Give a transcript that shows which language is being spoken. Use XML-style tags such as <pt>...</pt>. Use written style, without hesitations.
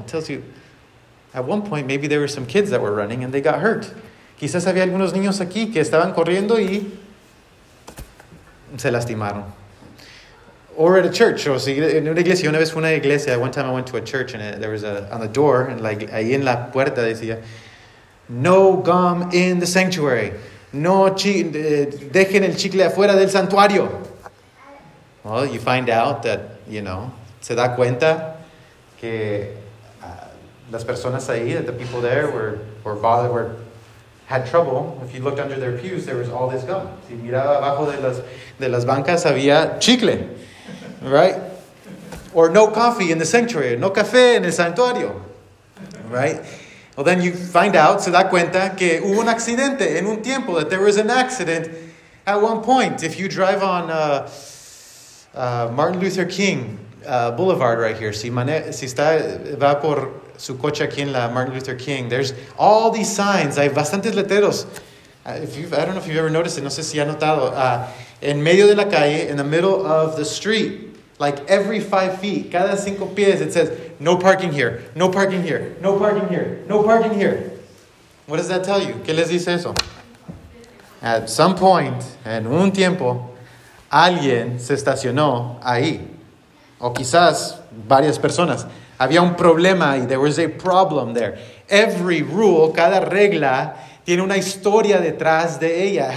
<en>It tells you, at one point, maybe there were some kids that were running and they got hurt.</en> <es>Quizás había algunos niños aquí que estaban corriendo y se lastimaron. Or at a church. O si, en una iglesia, una vez fue una iglesia.</es> <en>One time I went to a church and there was on the door, and like ahí en la puerta decía, no gum in the sanctuary.</en> <es>No, dejen el chicle afuera del santuario.</es> <en>Well, you find out that, you know, se da cuenta que las personas ahí, that the people there were bothered, were had trouble. If you looked under their pews, there was all this gum.</en> <es>Si miraba abajo de las bancas, había chicle, right?</es> <en>Or no coffee in the sanctuary, no café en el santuario, right? Well, then you find out, se da cuenta que hubo un accidente en un tiempo, that there was an accident at one point. If you drive on Martin Luther King Boulevard right here, si va por su coche aquí en la Martin Luther King, there's all these signs, hay bastantes letreros. I don't know if you've ever noticed it, no sé si ha notado, en medio de la calle, in the middle of the street, like every 5 feet, cada 5 pies, it says, no parking here, no parking here, no parking here, no parking here. What does that tell you? ¿Qué les dice eso?</en> <es>At some point, en un tiempo, alguien se estacionó ahí. O quizás varias personas.</es> <en>Había un problema y there was a problem there.</en> <es>Every rule, cada regla, tiene una historia detrás de ella.</es>